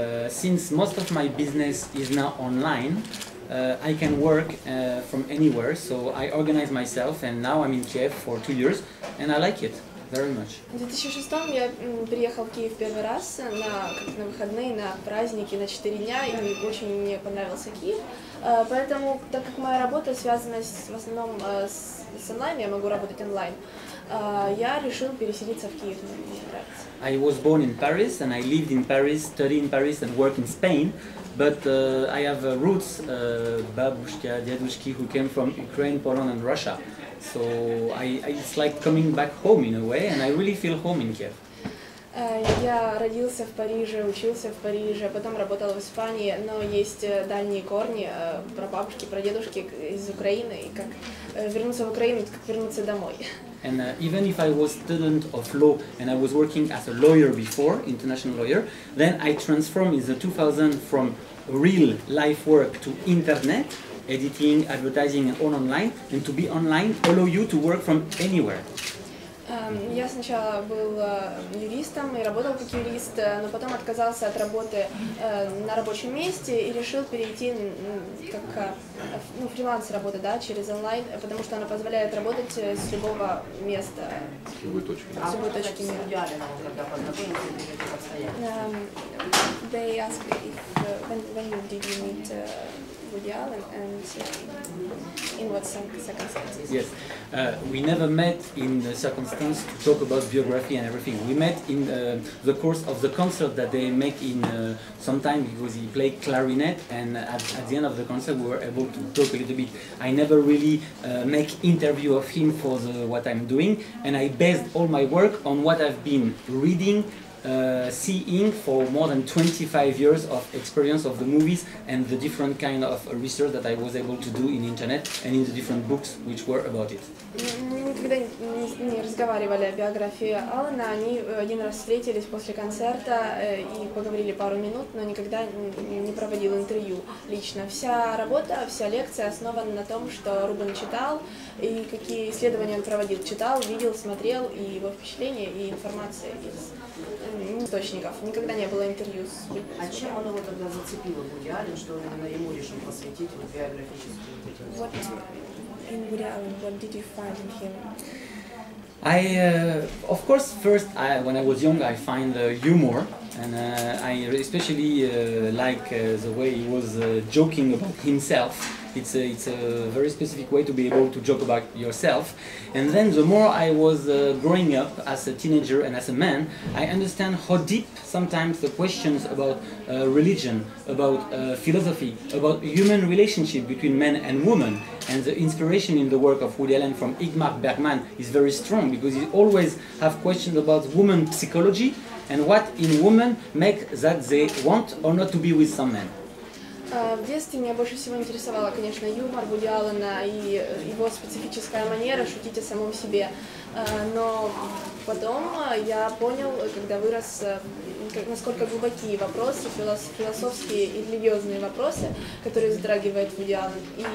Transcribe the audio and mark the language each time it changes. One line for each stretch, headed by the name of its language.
English: Since most of my business is now online, I can work from anywhere, so I organize myself, and now I'm in Kiev for 2 years, and I like it very much.
Russian: В 2006 я приехал в Киев первый раз на выходные, на праздники, на 4 дня, и очень мне понравился Киев. Поэтому, так как моя работа связана в основном с онлайн, я могу работать онлайн. Я решил переселиться в Киев.
English: I was born in Paris, and I lived in Paris, studied in Paris, and work in Spain. But I have roots,
Russian: бабушка, дедушки,
English: who came from Ukraine, Poland, and Russia. So it's like coming back home in a way, and I really feel home in Kiev.
Russian: Я родился в Париже, учился в Париже, потом работал в Испании, но есть дальние корни, прабабушки, прадедушки из Украины, и как вернуться в Украину, как вернуться домой.
English: And even if I was student of law and I was working as a lawyer before, international lawyer, then I transformed in the 2000 from real life work to internet, editing, advertising and all online, and to be online allow you to work from anywhere.
Russian: Я сначала был юристом и работал как юрист, но потом отказался от работы на рабочем месте и решил перейти как фриланс работы, да, через онлайн, потому что она позволяет работать с любого места. С любой точки. С любой точки мира. Вы когда познакомились, или это постоянно?
English: They asked when did you meet Вуди Аллен, and in what circumstances? Yes, we never met in the circumstance to talk about biography and everything. We met in the course of the concert that they make in sometime because he played clarinet, and at the end of the concert we were able to talk a little bit. I never really make interview of him for the what I'm doing, and I based all my work on what I've been reading, seeing for more than 25 years of experience of the movies and the different kind of research that I was able to do in internet and in the different books which were about it.
Russian: Никогда не разговаривали о биографии Аллена. Они один раз встретились после концерта и поговорили пару минут, но никогда не проводил интервью лично. Вся работа, вся лекция основана на том, что Рубен читал и какие исследования он проводил. Читал, видел, смотрел, и его впечатления, и информация из источников. Никогда не было интервью с Рубеном. А чем оно его тогда зацепило, Вуди Аллен, что он ему решил посвятить биографическую?
English: In Woody Allen, what did you find in him? I, of course, first, when I was young, I find humor, and I especially like the way he was joking about himself. It's a very specific way to be able to joke about yourself. And then the more I was growing up as a teenager and as a man, I understand how deep sometimes the questions about religion, about philosophy, about human relationship between men and women, and the inspiration in the work of Woody Allen from Ingmar Bergman is very strong, because he always have questions about woman psychology and what in women make that they want or not to be with some men.
Russian: В детстве меня больше всего интересовала, конечно, юмор Вуди Аллена и его специфическая манера шутить о самом себе. Но потом я понял, когда вырос, насколько глубокие вопросы, философские и религиозные вопросы, которые затрагивает Вуди Аллен.